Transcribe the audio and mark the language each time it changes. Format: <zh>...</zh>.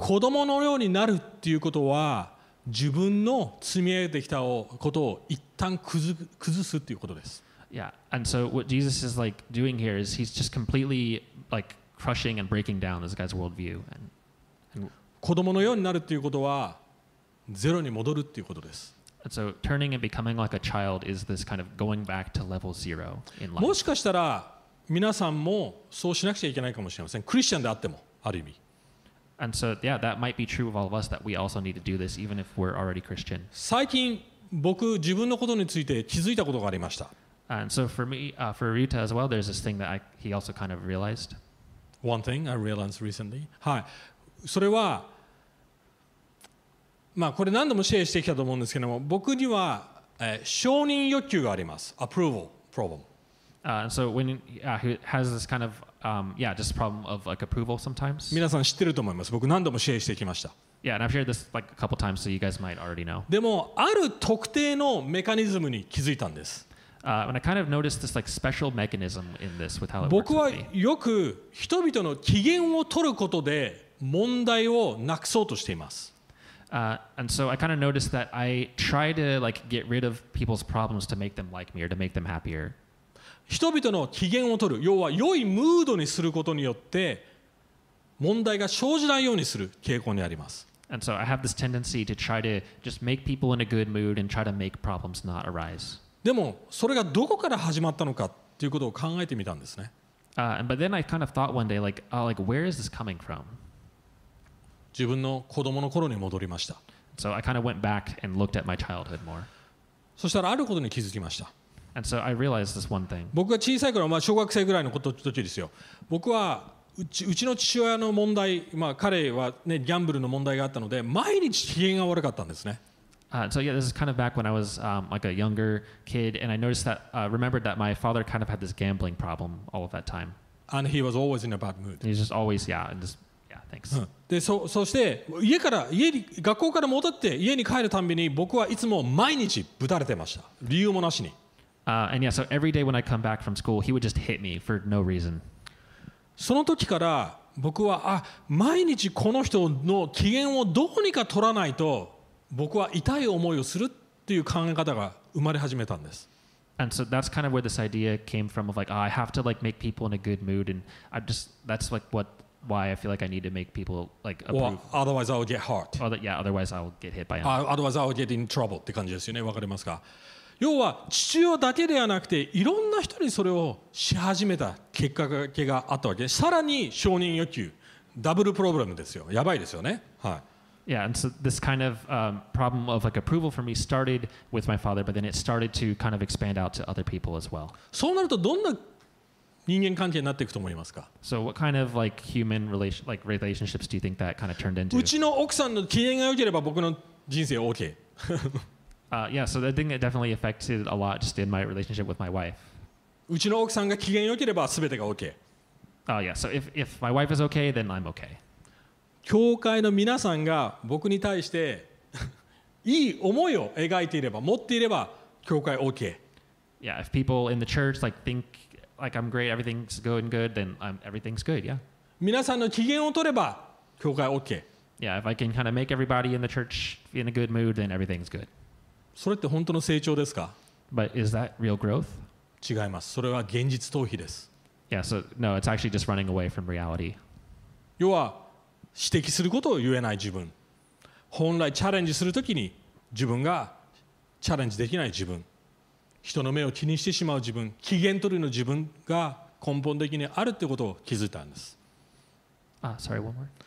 <ja>子供のようになるっていうことは、自分の積み上げてきたことを一旦崩すっていうことです。</ja> <en>Yeah, and so what Jesus is like doing here is he's just completely like crushing and breaking down this guy's worldview and</en> <ja>子供のようになるっていうことはゼロに戻るっていうことです。</ja> <en>So turning and becoming like a child is this kind of going back to level zero in life.</en> <ja>もしかしたら皆さんもそうしなくちゃいけないかもしれません。クリスチャンであってもある意味。</ja> <en>And so yeah, that might be true of all of us that we also need to do this even if we're already Christian.</en> <ja>最近僕自分のことについて気づいたことがありました。</ja> <en>And so for me, for Rita as well, there's this thing that he also kind of realized. One thing I realized recently. Hi.</en> <ja>それは、まあ、これ何度もシェアしてきたと思うんですけども、僕には、承認欲求があります。</ja> <en>Approval problem. So when he has this kind of, yeah, just problem of like approval sometimes.</en> <ja>皆さん知ってると思います。僕何度もシェアしてきました。</ja> <en>Yeah, and I've shared this like a couple times, so you guys might already know.</en> <ja>でも、ある特定のメカニズムに気づいたんです。</ja> <en>And I kind of noticed this like special mechanism in this with how it works.</en> <ja>僕はよく人々の機嫌を取ることで問題をなくそうとしています。</ja> <en>And so I kind of noticed that I try to like get rid of people's problems to make them like me or to make them happier.</en> <ja>人々の機嫌を取る、要は良いムードにすることによって問題が生じないようにする傾向にあります。</ja> <en>And so I have this tendency to try to just make people in a good mood and try to make problems not arise.</en> <ja>でもそれがどこから始まったのかということを考えてみたんですね。</ja> <en>But then I kind of thought one day, like where is this coming from?</en> <ja>自分の子供の頃に戻りました。</ja> <en>So I kind of went back and looked at my childhood more.</en> <ja>そしたらあることに気づきました。</ja> <en>And so I realized this one thing.</en> <ja>僕が小さい頃、まあ小学生ぐらいの時ですよ。僕はうちの父親の問題、まあ彼はね、ギャンブルの問題があったので、毎日機嫌が悪かったんですね。</ja> <en>So yeah, this is kind of back when I was like a younger kid, and I noticed that, remembered that my father kind of had this gambling problem all of that time. And he was always in a bad mood. He's just always, yeah, and just, yeah, thanks.</en> <ja>で、そして家から、家に、学校から戻って家に帰るたびに僕はいつも毎日ぶたれてました。理由もなしに。</ja> <en>And yeah, so every day when I come back from school, he would just hit me for no reason.</en> <ja>その時から僕は、毎日この人の機嫌をどうにか取らないと僕は痛い思いをするっていう考え方が生まれ始めたんです。</ja> <en>And so that's kind of where this idea came from of like, I have to like make people in a good mood and I just, that's like what, why I feel like I need to make people like approve. Or otherwise I will get hurt. Otherwise I will get hit by him. Otherwise I will get in trouble</en> <ja>って感じですよね。わかりますか？要は父親だけではなくていろんな人にそれをし始めた結果があったわけで、さらに承認欲求、ダブルプロブレムですよ。やばいですよね。はい。</ja> <en>Yeah, and so this kind of problem of like approval for me started with my father, but then it started to kind of expand out to other people as well.</en> <ja>そうなるとどんな人間関係になっていくと思いますか？</ja> <en>So what kind of like human relationships do you think that kind of turned into?</en> <ja>うちの奥さんの機嫌が良ければ僕の人生 OK。</ja> <en>yeah, so I think it definitely affected a lot just in my relationship with my wife.</en> <ja>うちの奥さんが機嫌良ければ全てが OK。</ja> <en>Yeah, so if my wife is okay, then I'm okay.</en> <ja>教会の皆さんが僕に対していい思いを描いていれば、持っていれば、教会 OK。</ja> <en>Yeah, if people in the church like think like I'm great, everything's going good, then everything's good, yeah.</en> <ja>皆さんの機嫌を取れば、教会 OK。</ja> <en>Yeah, if I can kind of make everybody in the church in a good mood, then everything's good.</en> <ja>それって本当の成長ですか？</ja> <en>But is that real growth?</en> <ja>違います。それは現実逃避です。</ja> <en>Yeah, so no, it's actually just running away from reality.</en> <ja>要は指摘することを言えない自分、本来チャレンジするときに自分がチャレンジできない自分、人の目を気にしてしまう自分、機嫌取りの自分が根本的にあるってことを気づいたんです。</ja> <en>sorry, one more.</en>